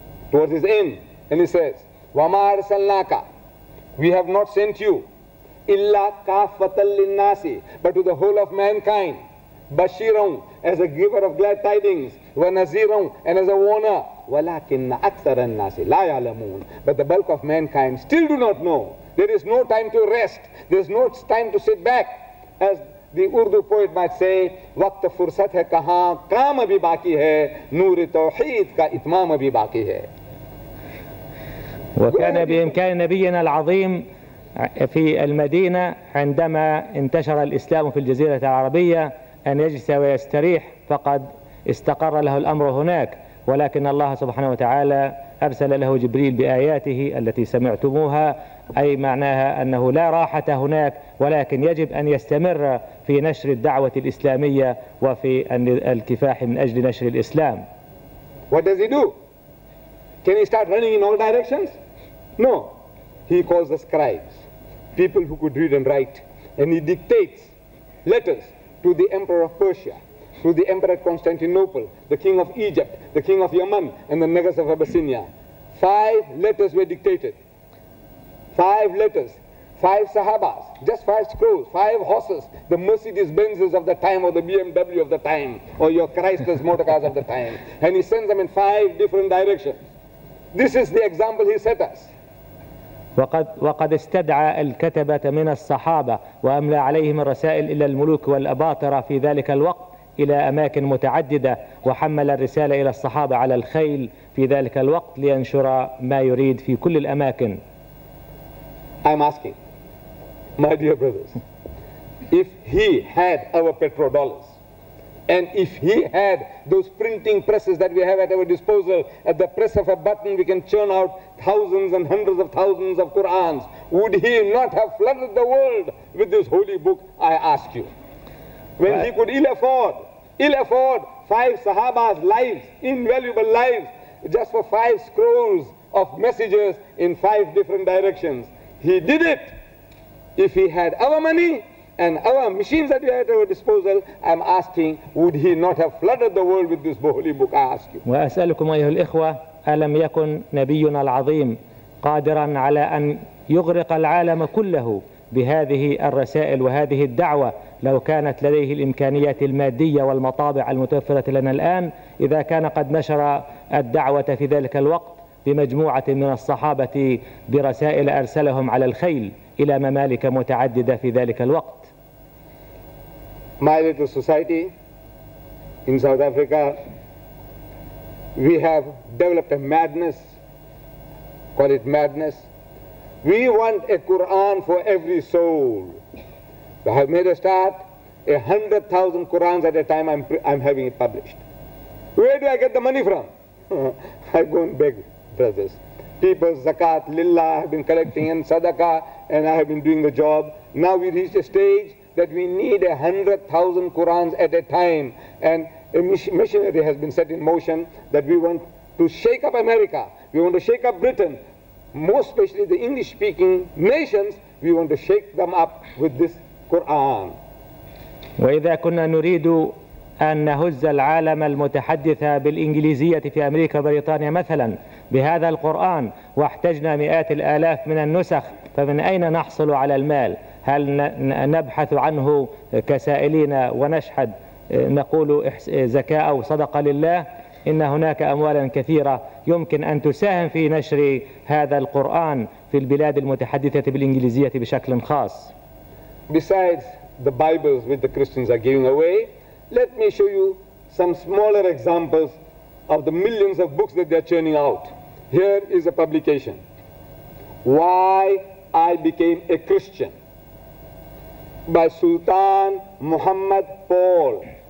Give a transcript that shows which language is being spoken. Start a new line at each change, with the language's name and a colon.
English: towards his end, and he says,
Arabic: "Wama arsalnaka,
English: we have not sent you,
Arabic: illa kafatal linnasi,
English: but to the whole of mankind,
Arabic: bashiran,
English: as a giver of glad tidings,
Arabic: wa naziran,
English: and as a warner,
Arabic: walakin akthara linnasi la ya'lamun,
English: but the bulk of mankind still do not know." There is no time to rest. There is no time to sit back. As the Urdu poet might say,
Urdu: "Waqt fursat hai kahan, kaam abhi baki hai,
English: noor tawheed ka itmam abhi baki hai."
Arabic: وكان بإمكان نبينا العظيم في المدينة عندما انتشر الإسلام في الجزيرة العربية أن يجلس ويستريح، فقد استقر له الأمر هناك، ولكن الله سبحانه وتعالى أرسل له جبريل بآياته التي سمعتموها، أي معناها أنه لا راحة هناك، ولكن يجب أن يستمر في نشر الدعوة الإسلامية وفي الكفاح من أجل نشر الإسلام.
English: What does he do? Can he start running in all directions? No. He calls the scribes, people who could read and write, and he dictates letters to the emperor of Persia, to the emperor of Constantinople, the king of Egypt, the king of Yemen, and the Negus of Abyssinia. Five letters were dictated. Five letters, five sahabas, just five scrolls, five horses, the Mercedes Benzes of the time, or the BMW of the time, or your Chrysler's motor cars of the time. And he sends them in five different directions. This is the example he set us.
Arabic: وقد استدعى الكتبة من الصحابة وأملى عليهم الرسائل إلى الملوك والأباطرة في ذلك الوقت إلى أماكن متعددة، وحمل الرسالة إلى الصحابة على الخيل في ذلك الوقت لينشر ما يريد في كل الأماكن.
English: I'm asking, my dear brothers, if he had our petrodollars, and if he had those printing presses that we have at our disposal, at the press of a button we can churn out thousands and hundreds of thousands of Qurans, would he not have flooded the world with this holy book, I ask you? When he could ill afford five sahabas' lives, invaluable lives, just for five scrolls of messages in five different directions. He did it. If he had our money and our machines that we had at our disposal, I'm asking, would he not have flooded the world with this holy book? I ask you.
Arabic: وأسألكم أيها الإخوة، ألم يكن نبينا العظيم قادرا على أن يغرق العالم كله بهذه الرسائل وهذه الدعوة لو كانت لديه الإمكانيات المادية والمطابع المتوفرة لنا الآن، إذا كان قد نشر الدعوة في ذلك الوقت بمجموعة من الصحابة برسائل أرسلهم على الخيل إلى ممالك متعددة في ذلك الوقت؟
English: My little society in South Africa, we have developed a madness, call it madness. We want a Quran for every soul. We have made a start, 100,000 Qurans at a time I'm having it published. Where do I get the money from? I go and beg. Brothers, people's zakat, lillah, have been collecting, and sadaqah, and I have been doing the job. Now we reach a stage that we need 100,000 Qurans at a time, and a machinery has been set in motion that we want to shake up America, we want to shake up Britain, most especially the English-speaking nations, we want to shake them up with this Quran.
Arabic: وإذا كنا نريد أن نهز العالم المتحدث بالإنجليزية في أمريكا وبريطانيا مثلا بهذا القرآن، واحتجنا مئات الآلاف من النسخ، فمن أين نحصل على المال؟ هل نبحث عنه كسائلين ونشحد نقول زكاة أو صدقة لله؟ إن هناك أموالا كثيرة يمكن أن تساهم في نشر هذا القرآن في البلاد المتحدثة بالإنجليزية بشكل خاص.
English: Besides the Bibles which the Christians are giving away, let me show you some smaller examples of the millions of books that they are churning out. Here is a publication. Why I Became a Christian by Sultan Muhammad Paul.